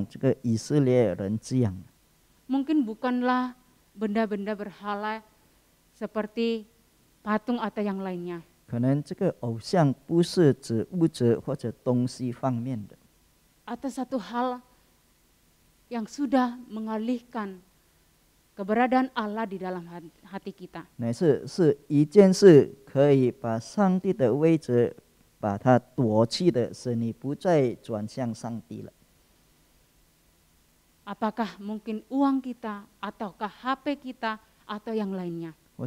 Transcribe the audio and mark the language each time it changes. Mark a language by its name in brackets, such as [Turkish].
[Chinese] 是否我们这时候也像这个以色列人这样？ [Indonesian] Mungkin bukanlah benda-benda berhala seperti patung atau yang lainnya. [Chinese] 可能这个偶像不是指物质或者东西方面的。 [Indonesian] Atau satu hal yang sudah mengalihkan keberadaan Allah di dalam hati kita. [Chinese] 乃是一件事可以把上帝的位置把它夺去的，使你不再转向上帝了。 [Indonesian] Apakah mungkin uang kita ataukah HP kita atau yang lainnya?